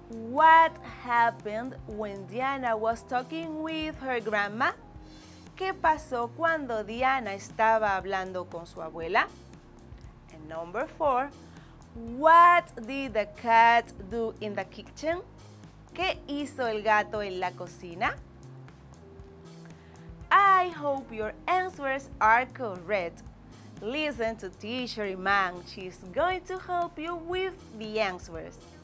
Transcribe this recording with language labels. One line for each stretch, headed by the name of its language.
English: What happened when Diana was talking with her grandma?
Spanish: ¿Qué pasó cuando Diana estaba hablando con su abuela?
English: And number 4. What did the cat do in the kitchen?
Spanish: ¿Qué hizo el gato en la cocina?
English: I hope your answers are correct. Listen to teacher Iman. She's going to help you with the answers.